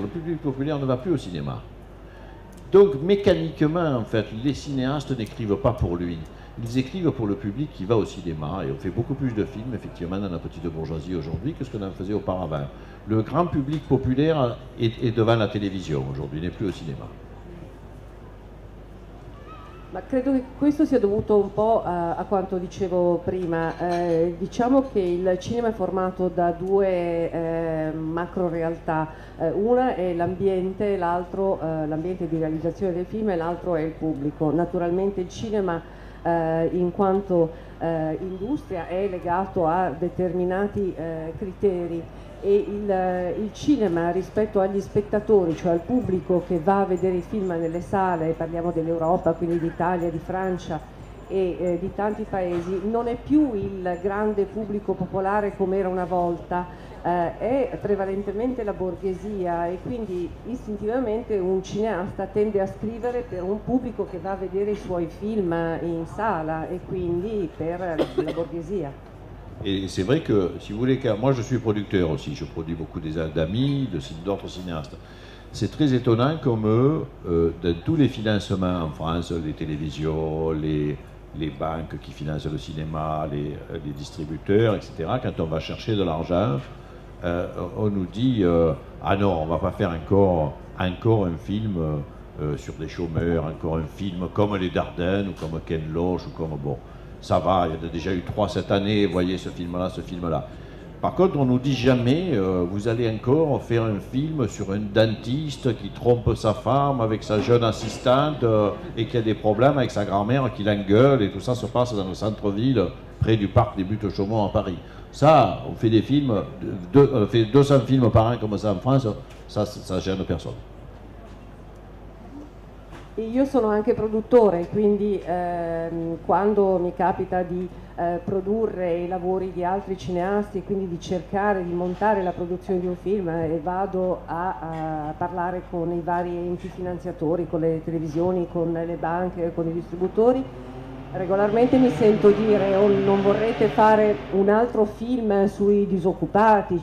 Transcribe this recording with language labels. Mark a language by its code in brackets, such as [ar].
[fr] Le public populaire ne va plus au cinéma. Donc, mécaniquement, en fait, les cinéastes n'écrivent pas pour lui. Ils écrivent pour le public qui va au cinéma, et on fait beaucoup plus de films, effectivement, dans la petite bourgeoisie aujourd'hui que ce qu'on en faisait auparavant. Le grand public populaire est devant la télévision aujourd'hui, n'est plus au cinéma. [it] Ma credo che questo sia dovuto un po' a quanto dicevo prima. Diciamo che il cinema è formato da due macro realtà. Una è l'ambiente, l'altro l'ambiente di realizzazione del film, e l'altro è il pubblico. Naturalmente il cinema, in quanto industria, è legato a determinati criteri. E il cinema rispetto agli spettatori, cioè al pubblico che va a vedere i film nelle sale, parliamo dell'Europa, quindi d'Italia, di Francia e di tanti paesi, non è più il grande pubblico popolare come era una volta, è prevalentemente la borghesia, e quindi istintivamente un cineasta tende a scrivere per un pubblico che va a vedere i suoi film in sala, e quindi per la borghesia. [fr] Et c'est vrai que, si vous voulez, moi je suis producteur aussi, je produis beaucoup d'amis, d'autres cinéastes. C'est très étonnant comme dans tous les financements en France, les télévisions, les banques qui financent le cinéma, les distributeurs, etc., quand on va chercher de l'argent, on nous dit « Ah non, on ne va pas faire encore un film sur des chômeurs, encore un film comme les Dardenne ou comme Ken Loach ou comme... bon. » Ça va, il y a déjà eu trois cette année, voyez ce film-là. Par contre, on ne nous dit jamais, vous allez encore faire un film sur un dentiste qui trompe sa femme avec sa jeune assistante et qui a des problèmes avec sa grand-mère qui l'engueule, et tout ça se passe dans le centre-ville, près du parc des Buttes-Chaumont à Paris. Ça, on fait des films, on fait 200 films par an comme ça en France, ça gêne personne. [it] Io sono anche produttore, quindi quando mi capita di produrre i lavori di altri cineasti, quindi di cercare di montare la produzione di un film, e vado a parlare con i vari enti finanziatori, con le televisioni, con le banche, con i distributori, regolarmente mi sento dire: oh, non vorrete fare un altro film sui disoccupati?